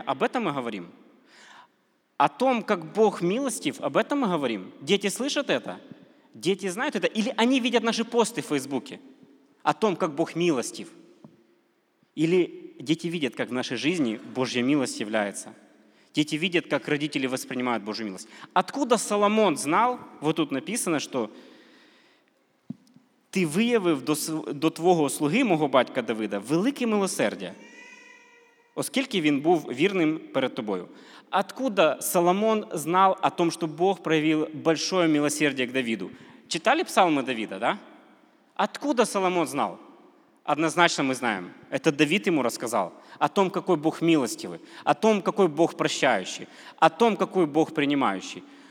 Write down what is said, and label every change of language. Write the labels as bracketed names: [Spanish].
[Russian] Об этом мы говорим? О том, как Бог милостив? Об этом мы говорим? Дети слышат это? Дети знают это? Или они видят наши посты в Фейсбуке? О том, как Бог милостив? Или дети видят, как в нашей жизни Божья милость является? Дети видят, как родители воспринимают Божью милость. Откуда Соломон знал, вот тут написано, что [Ukrainian] «ти виявив до твого слуги, мого батька Давида, велике милосердя, оскільки він був вірним перед тобою». [Russian] Откуда Соломон знал о том, что Бог проявил большое милосердие к Давиду? Читали псалмы Давида, да? Откуда Соломон знал? Однозначно мы знаем, это Давид ему рассказал о том, какой Бог милостивый, о том, какой Бог прощающий, о том, какой Бог принимающий.